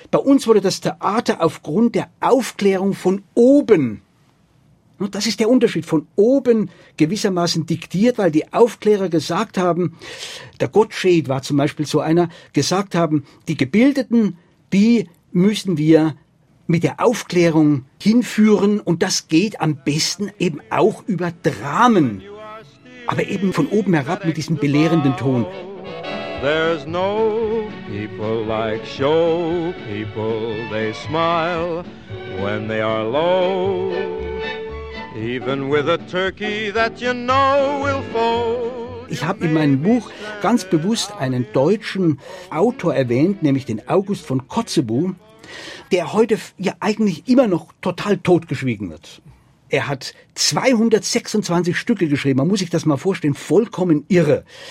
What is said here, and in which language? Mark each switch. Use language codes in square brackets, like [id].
[de] Bei uns wurde das Theater aufgrund der Aufklärung von oben, und das ist der Unterschied, von oben gewissermaßen diktiert, weil die Aufklärer gesagt haben, der Gottsched war zum Beispiel so einer, gesagt haben, die Gebildeten, die müssen wir mit der Aufklärung hinführen und das geht am besten eben auch über Dramen, aber eben von oben herab mit diesem belehrenden Ton. [en] There's no people like show people, they smile when they are low, even with a turkey that you know will fold. [de] Ich habe in meinem Buch ganz bewusst einen deutschen Autor erwähnt, nämlich den August von Kotzebue, der heute ja eigentlich immer noch total totgeschwiegen wird. Er hat 226 Stücke geschrieben, man muss sich das mal vorstellen, vollkommen irre.